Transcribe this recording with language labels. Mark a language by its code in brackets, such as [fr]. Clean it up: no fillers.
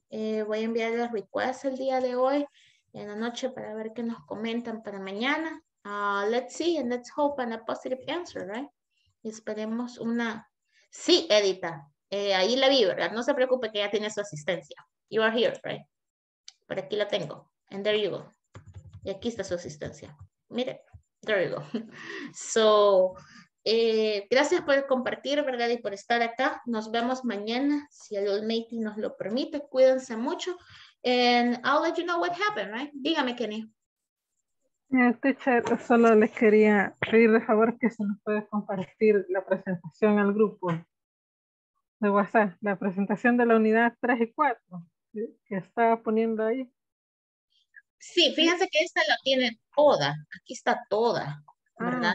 [es] Voy a enviar el request el día de hoy, en la noche, para ver qué nos comentan para mañana. [en] Let's see and let's hope on a positive answer, right? [es] Esperemos una... Sí, Edita. Ahí la vi, ¿verdad? No se preocupe que ya tiene su asistencia. [en] You are here, right? [es] Por aquí la tengo. [en] And there you go. [es] Y aquí está su asistencia. Mire, [en] there you go. [es] So, gracias por compartir, ¿verdad? Y por estar acá. Nos vemos mañana, si el Almighty nos lo permite. Cuídense mucho. [en] And I'll let you know what happened, right? [es] Dígame, Kenny. Yeah, teacher, solo les quería pedir de favor que se nos puede compartir la presentación al grupo de WhatsApp. La presentación de la unidad 3 y 4 que estaba poniendo ahí. Sí, fíjense que esta la tiene toda. Aquí está toda, ¿verdad?